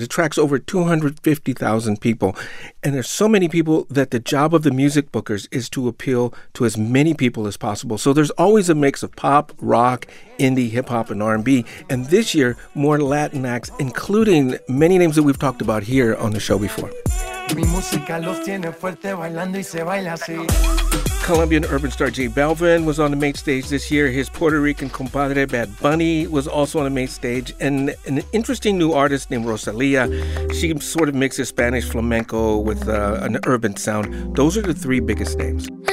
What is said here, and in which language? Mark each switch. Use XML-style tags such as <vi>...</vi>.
<en>It attracts over 250,000 people, and there's so many people that the job of the music bookers is to appeal to as many people as possible. So there's always a mix of pop, rock, indie, hip-hop, and R&B, and this year, more Latin acts, including many names that we've talked about here on the show before.</en> <es>Mi música los tiene fuerte bailando y se baila así.</es> <en>Colombian urban star J Balvin was on the main stage this year. His Puerto Rican compadre Bad Bunny was also on the main stage. And an interesting new artist named Rosalia. She sort of mixes Spanish flamenco with an urban sound. Those are the three biggest names.</en>